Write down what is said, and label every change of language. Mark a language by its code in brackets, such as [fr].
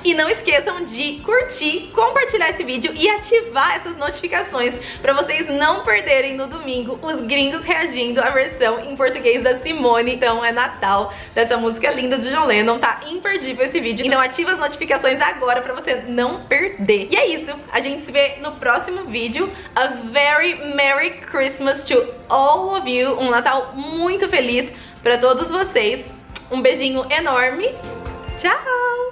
[pt] E não esqueçam de curtir, compartilhar esse vídeo e ativar essas notificações pra vocês não perderem no domingo os gringos reagindo à versão em português da Simone. Então é Natal, dessa música linda do John Lennon. Tá imperdível esse vídeo. Então ativa as notificações agora pra você não perder. E é isso, a gente se vê no próximo vídeo. [en] A very Merry Christmas to all of you. [pt] Um Natal muito feliz pra todos vocês. Um beijinho enorme. Tchau!